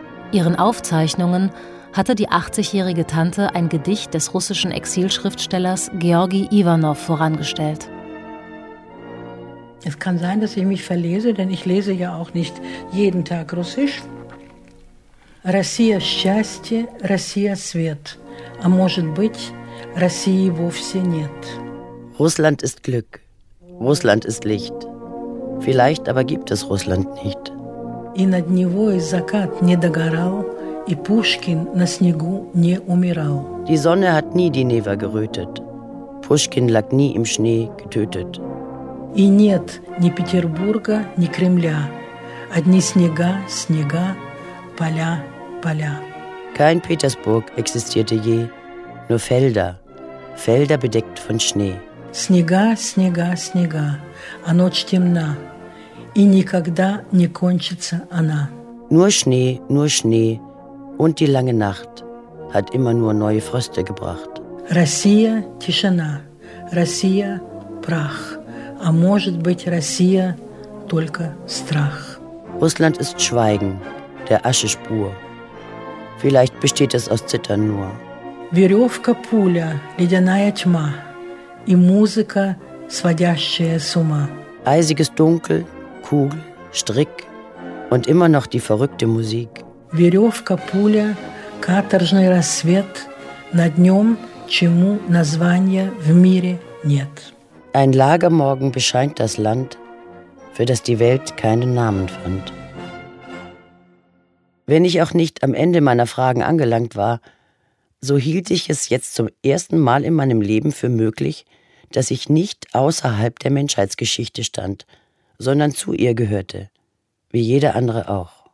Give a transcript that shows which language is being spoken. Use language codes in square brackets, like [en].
[de] Ihren Aufzeichnungen hatte die 80-jährige Tante ein Gedicht des russischen Exilschriftstellers Georgi Iwanow vorangestellt. Es kann sein, dass ich mich verlese, denn ich lese ja auch nicht jeden Tag Russisch. [ru] Россия счастье, Россия свет, а может быть, России вовсе нет. [de] Russland ist Glück, Russland ist Licht. Vielleicht aber gibt es Russland nicht. [ru] И над него и закат не догорал, и Пушкин на снегу не умирал. [de] Die Sonne hat nie die Neva gerötet. Пушкин lag nie im Schnee getötet. [ru] И нет ни Петербурга, ни Кремля. Одни снега, снега, поля, поля. [de] Kein Petersburg existierte je, nur Felder, Felder bedeckt von Schnee. [ru] Снега, снега, снега, а ночь темна, и никогда не кончится она. [de] Nur Schnee und die lange Nacht hat immer nur neue Fröste gebracht. [ru] Россия, тишина, Россия, прах. А может быть, Россия только страх. [de] Russland ist Schweigen, der Aschespur. Vielleicht besteht es aus Zittern nur. [ru] Веревка, пуля, ледяная тьма и музыка, сводящая с ума. [de] Eisiges Dunkel, Kugel, Strick und immer noch die verrückte Musik. [ru] Веревка, пуля, каторжный рассвет, над днем, чему названия в мире нет. [de] Ein Lagermorgen bescheint das Land, für das die Welt keinen Namen fand. Wenn ich auch nicht am Ende meiner Fragen angelangt war, so hielt ich es jetzt zum ersten Mal in meinem Leben für möglich, dass ich nicht außerhalb der Menschheitsgeschichte stand, sondern zu ihr gehörte, wie jeder andere auch.